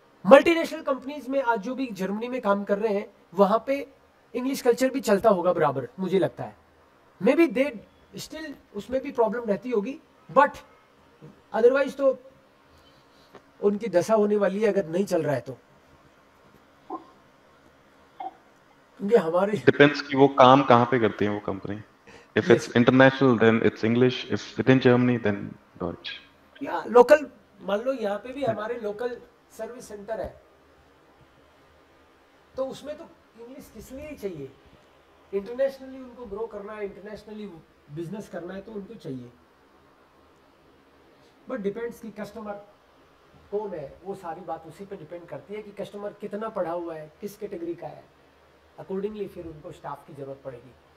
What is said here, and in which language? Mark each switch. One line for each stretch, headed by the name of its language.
Hindi: Multinational companies में आज जो भी जर्मनी में काम कर रहे हैं वहां पे इंग्लिश कल्चर भी चलता होगा बराबर, मुझे लगता है,
English: maybe they still
Hindi: उसमें भी प्रॉब्लम रहती होगी,
English: but otherwise
Hindi: तो उनकी दशा होने वाली है अगर नहीं चल रहा है तो, क्योंकि हमारे डिपेंड्स कि वो काम कहां पे करते हैं वो company,
English: if yes. it's international then it's english, if it's in germany then deutsch,
Hindi: yeah local, मान लो यहां पे भी हमारे
English: local service center
Hindi: है तो उसमें तो english किस लिए चाहिए,
English: internationally उनको grow
Hindi: करना है, internationally business करना है तो उनको चाहिए,
English: but depends
Hindi: कि customer कौन है, वो सारी बात उसी पे depend करती है कि customer कितना पढ़ा हुआ है, किस category का है, accordingly फिर उनको staff की जरूरत पड़ेगी।